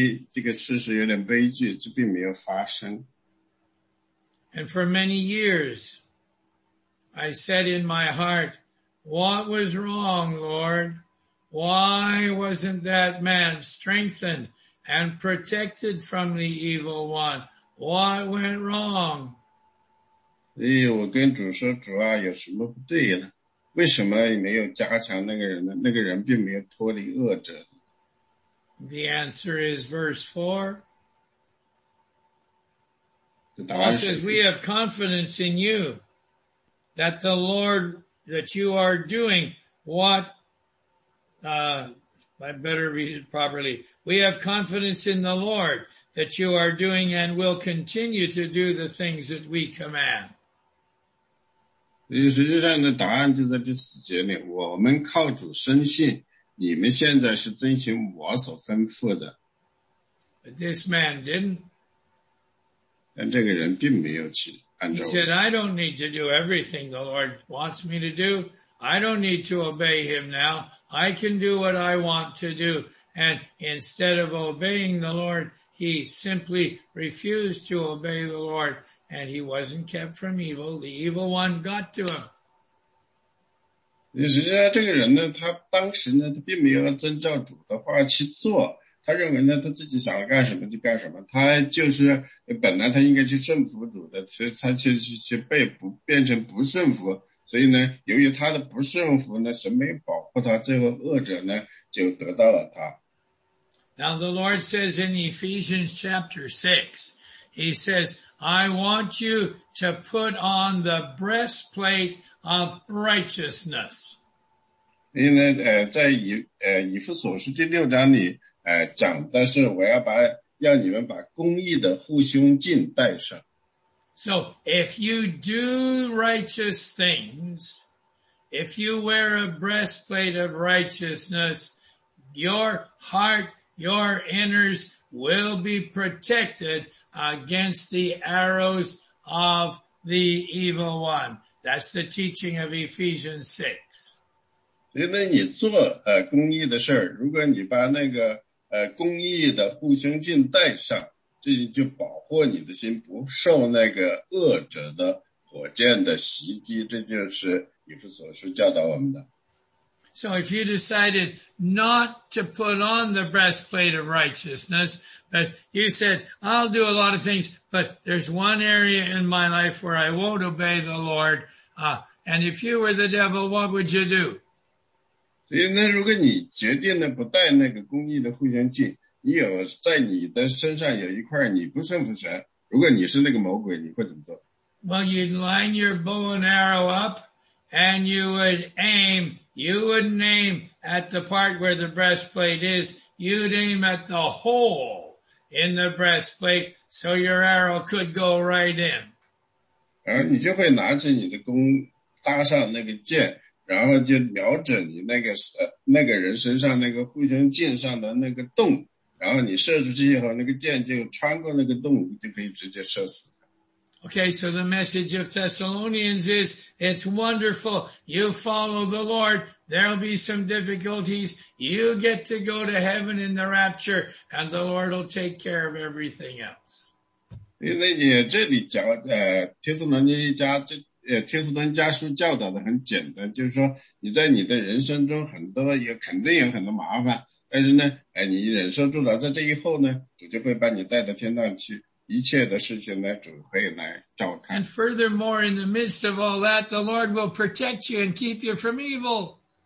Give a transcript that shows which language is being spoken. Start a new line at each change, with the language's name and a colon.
Chinese: 这个事实有点悲剧，这并没有发生。
English: And for many years, I said in my heart, what was wrong, Lord? Why wasn't that man strengthened and protected from the evil one? What went wrong?
Chinese: 我跟主说，主啊，有什么不对呢？为什么没有加强那个人呢？那个人并没有脱离恶者。
English: The answer is verse 4. Paul says, we have confidence in you that the Lord, that you are doing what, I better read it properly. We have confidence in the Lord that you are doing and will continue to do the things that we command.
Chinese: 实际上的答案就在第四节里，我们靠主深信，你们现在是遵行我所吩咐的。
English: But this man didn't.
Chinese: 但这个人并没有去按照。
English: He said, I don't need to do everything the Lord wants me to do. I don't need to obey him now. I can do what I want to do. And instead of obeying the Lord, he simply refused to obey the Lord. And he wasn't kept from evil. The evil one got to him.
Chinese: 实际上这个人呢，他当时呢，他并没有遵照主的话去做。他认为呢，他自己想干什么就干什么，他就是本来他应该去顺服主的，所以他却被变成不顺服，所以呢，由于他的不顺服呢，神没保护他，最后恶者呢就得到了他。
English: Now the Lord says in Ephesians chapter 6, He says, I want you to put on the breastplate of righteousness.
Chinese: 因为呢，在以弗所书第六章里讲的是我要把要你们把公义的护胸镜带上。
English: So, if you do righteous things, if you wear a breastplate of righteousness, your heart, your inners will be protected against the arrows of the evil one. That's the teaching of Ephesians 6.
Chinese: 所以你做公义的事，如果你把那个公义的护胸镜带上，这就保护你的心不受那个恶者的火箭的袭击，这就是以弗所书教导我们的。
English: So if you decided not to put on the breastplate of righteousness, but you said, I'll do a lot of things, but there's one area in my life where I won't obey the Lord, and if you were the devil, what would you do?
Chinese: 所以呢，如果你决定呢不带那个公义的护胸镜，你有在你的身上有一块你不顺服神，如果你是那个魔鬼，你会怎么做
English: ？Well, you'd line your bow and arrow up, and you would aim. You wouldn't aim at the part where the breastplate is. You'd aim at the hole in the breastplate, so your arrow could go right in.
Chinese: 然后你就会拿着你的弓，搭上那个箭。然后就瞄准你那个人身上那个护胸镜上的那个洞，然后你射出去以后，那个箭就穿过那个洞，就可以直接射死。
English: Okay, so the message of Thessalonians is, it's wonderful. You follow the Lord. There'll be some difficulties. You get to go to heaven in the rapture, and the Lord will take care of everything else.
Chinese: 因为这里讲，帖撒罗尼迦书教导的很简单， 就是说你在你的人生中很多，肯定有很多麻烦， 但是呢，你忍受住了，在这以后呢， 主就会把你带到天堂去。一切的事情呢，主会来照看。
English: And furthermore, in the midst of all that, the Lord will protect you and keep you from evil.